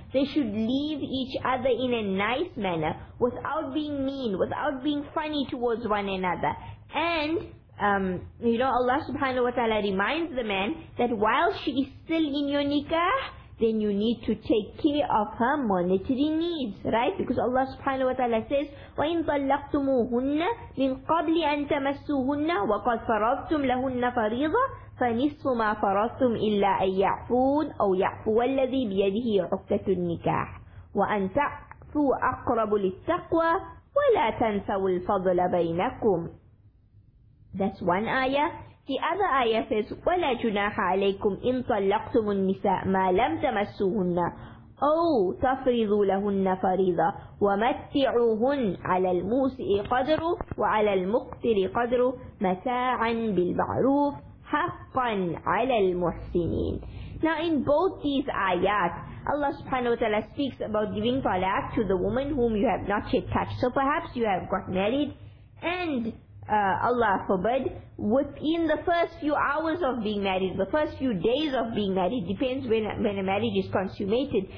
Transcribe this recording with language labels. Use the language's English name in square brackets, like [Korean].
[English] They should leave each other in a nice manner, without being mean, without being funny towards one another. And Allah subhanahu wa ta'ala reminds the man that while she is still in your nikah, then you need to take care of her monetary needs, right? Because Allah subhanahu wa ta'ala says, [Arabic] وَإِن طَلَّقْتُمُوهُنَّ مِن قَبْلِ أَن تَمَسُّوهُنَّ وَقَدْ فَرَضْتُمْ لَهُنَّ فَرِيضَةً فَنِصْفُ مَا فَرَضْتُمْ إِلَّا أَن يَعْفُونَ أَوْ يَعْفُوَ الَّذِي بِيَدِهِ عُقْدَةُ النِّكَاحِ وَأَن تَعْفُوا أَقْرَبُ لِلتَّقْوَى وَلَا تَنْسَوُا الْفَضْلَ بَيْنَكُمْ. [English] That's one ayah. The other ayah says, [Arabic] وَلَا جُنَاحَ عَلَيْكُمْ إِن طَلَّقْتُمُ النِّسَاءَ مَا لَمْ تَمَسُّوهُنَّ أَوْ تَفْرِضُوا لَهُنَّ فَرِيضَةً وَمَتِّعُوهُنَّ عَلَى الْمُوسِئِ قَدْرُهُ وَعَلَى الْمُقْتِرِ قَدْرُهُ مَتَاعًا بِالْمَعْرُوفِ حَقًّا عَلَى الْمُحْسِنِينَ. [English] Now in both these ayat, Allah subhanahu wa ta'ala speaks about giving talaq to the woman whom you have not yet touched. So perhaps you have got married, and Allah forbid, within the first few hours of being married, the first few days of being married, depends when a marriage is consummated.